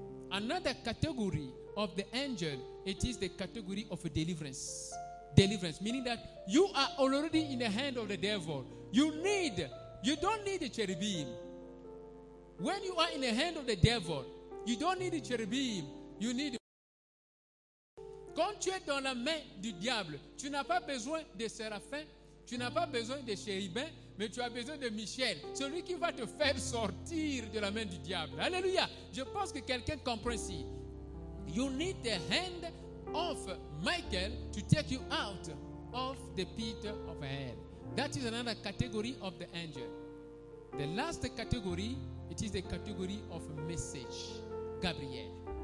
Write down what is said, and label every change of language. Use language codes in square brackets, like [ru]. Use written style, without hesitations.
[en] Another category of the angel, it is the category of deliverance. Deliverance, meaning that you are already in the hand of the devil. You don't need a cherubim. When you are in the hand of the devil, you don't need a cherubim. You need. [fr] Quand tu es dans la main du diable, tu n'as pas besoin de séraphin, tu n'as pas besoin de chérubin, mais tu as besoin de Michel, celui qui va te faire sortir de la main du diable. Alléluia! Je pense que quelqu'un comprend ici. [en] You need the hand of Michael to take you out of the pit of hell. That is another category of the angel. The last category, it is the category of message. Gabriel.